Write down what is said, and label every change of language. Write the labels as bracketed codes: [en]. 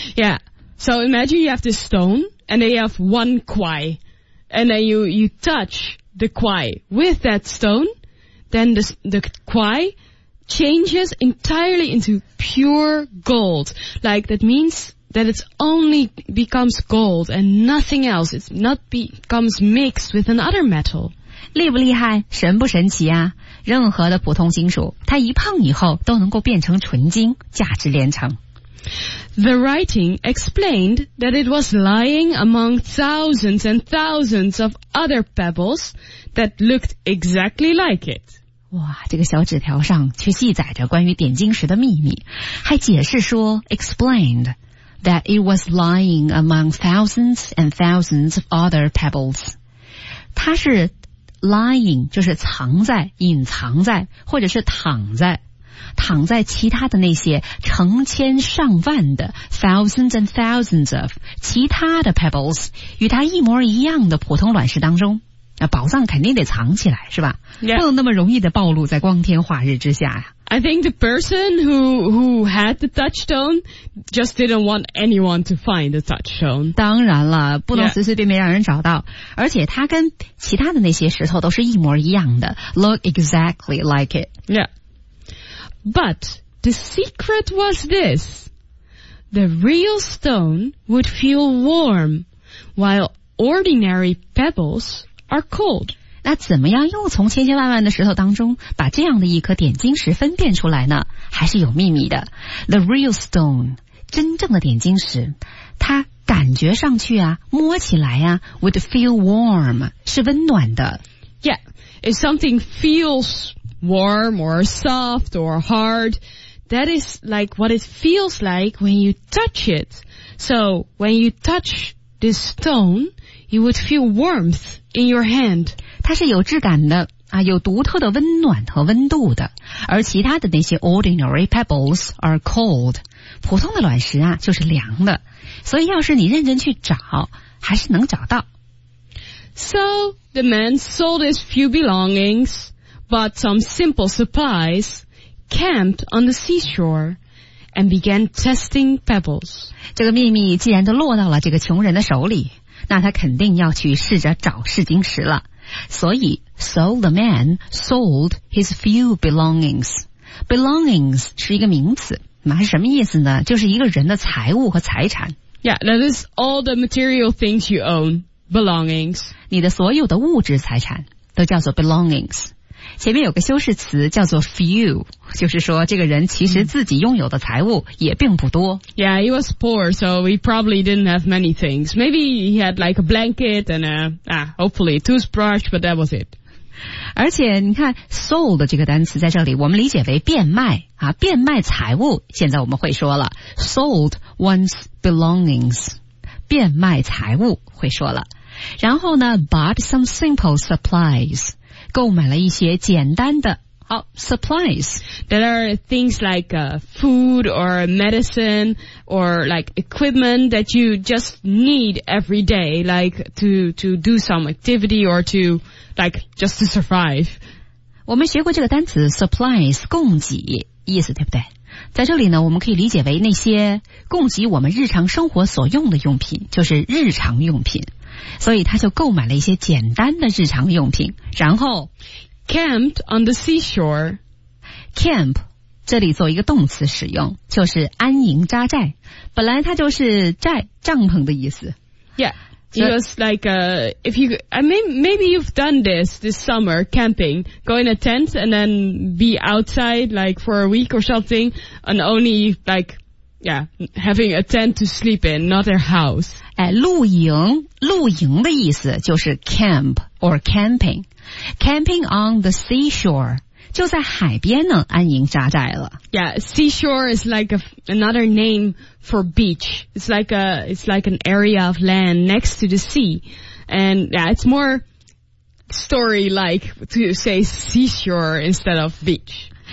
[en] Yeah, so imagine you have this stone and then you have one quai and then you touch the quai with that stone, then the quai changes entirely into pure gold. Like that means... that it only becomes gold and nothing else. It's not becomes mixed with another metal. [zh] 厉不厉害？神不神奇啊？任何的普通金属，它一碰以后都能够变成纯金，价值连城。 [en] The writing explained that it was lying among thousands and thousands of other pebbles that looked exactly like it. [zh] 哇，这个小纸条上却记载着关于点金石的秘密，还解释说 explained. [en] That it was lying among thousands and thousands of other pebbles. [zh] 它是 lying, 就是藏在、隐藏在或者是躺在，躺在其他的那些成千上万的 [en] thousands and thousands of [zh] 其他的 pebbles 与它一模一样的普通卵石当中。那宝藏肯定得藏起来，是吧？ [en] Yeah. [zh] 不能那么容易的暴露在光天化日之下呀。 [en] I think the person who had the touchstone just didn't want anyone to find the touchstone. [zh] 当然了，不能随随便便让人找到。 [en] Yeah. [zh] 而且它跟其他的那些石头都是一模一样的 , [en] look exactly like it. Yeah. But the secret was this. The real stone would feel warm while ordinary pebbles are cold. [zh] 那怎么样又从千千万万的石头当中把这样的一颗点金石分辨出来呢？还是有秘密的。 [en] The real stone, [zh] 真正的点金石，它感觉上去啊，摸起来啊， [en] would feel warm, [zh] 是温暖的。 [en] Yeah, if something feels warm or soft or hard, that is like what it feels like when you touch it. So, when you touch this stone, you would feel warmth in your hand. [zh] 它是有质感的啊，有独特的温暖和温度的，而其他的那些 [en] ordinary pebbles are cold， [zh] 普通的卵石啊就是凉的，所以要是你认真去找，还是能找到。 [en] So the man sold his few belongings, bought some simple supplies, camped on the seashore, and began testing pebbles. [zh] 这个秘密既然都落到了这个穷人的手里，那他肯定要去试着找试金石了。 [en] So the man sold his few belongings. [zh] Belongings 是一个名词，那是什么意思呢？就是一个人的财物和财产。 [en] Yeah, that is all the material things you own, belongings. [zh] 你的所有的物质财产都叫做 belongings. 前面有个修饰词叫做 few, 就是说这个人其实自己拥有的财物也并不多。 [en] Yeah, he was poor, so he probably didn't have many things. Maybe he had like a blanket and hopefully a toothbrush, but that was it. [zh] 而且你看 sold 这个单词在这里我们理解为变卖啊，变卖财物，现在我们会说了 [en] sold one's belongings, [zh] 变卖财物会说了。然后呢 [en] bought some simple supplies, [zh] 购买了一些简单的好 supplies. [en] That are things like food or medicine or like equipment that you just need every day, like to do some activity or to like just to survive. [zh] 我们学过这个单词 supplies, 供给意思对不对？在这里呢，我们可以理解为那些供给我们日常生活所用的用品，就是日常用品。所以他就购买了一些简单的日常用品，然后 [en] camped on the seashore. [zh] Camp 这里做一个动词使用，就是安营扎寨，本来它就是寨、帐篷的意思。 [en] Yeah, it was like if you, I mean, maybe you've done this summer camping, go in a tent and then be outside like for a week or something, and only like. Yeah, having a tent to sleep in, not a house. [zh] 哎，露营，露营的意思就是 [en] camp or camping. Camping on the seashore, [zh] 就在海边呢，安营扎寨了。 [en] Yeah, seashore is like another name for beach. It's like an area of land next to the sea. And yeah, it's more story-like to say seashore instead of beach.